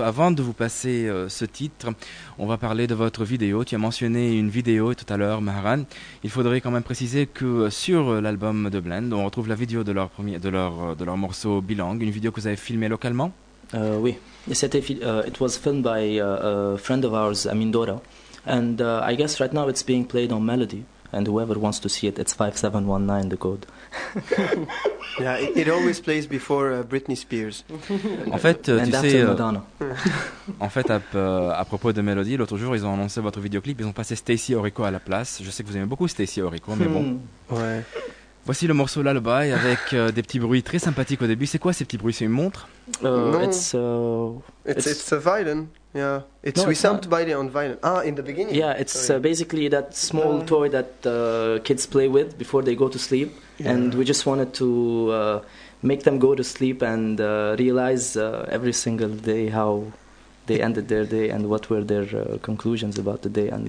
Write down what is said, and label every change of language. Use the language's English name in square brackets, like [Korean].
[French] Avant de vous passer ce titre, on va parler de votre vidéo. Tu as mentionné une vidéo tout à l'heure, Maharan. Il faudrait quand même préciser que sur l'album de Blend, on retrouve la vidéo de leur morceau Bilang, une vidéo que vous avez filmée localement. [English] Oui, it was filmed by a friend of ours, Amindora. And I guess right now it's being played on Melody. And whoever wants to see it, it's 5719, the code. Yeah, it always plays before Britney Spears. [French] En fait, [English] and [French] tu [English] after [French] sais, [English] Madonna. [French] En fait, à propos de Melody, l'autre jour, ils ont annoncé votre vidéoclip. Ils ont passé Stacy Orico à la place. Je sais que vous aimez beaucoup Stacy Orico, mais bon. Ouais. Voici le morceau Lullaby avec des petits bruits très sympathiques au début. C'est quoi ces petits bruits? C'est une montre? Non. [English] It's a violin. Yeah, it's no, we sound by the on violin. Ah, in the beginning. Yeah, it's basically that small toy that kids play with before they go to sleep, yeah. And we just wanted to make them go to sleep and realize every single day how they ended their day and what were their conclusions about the day. And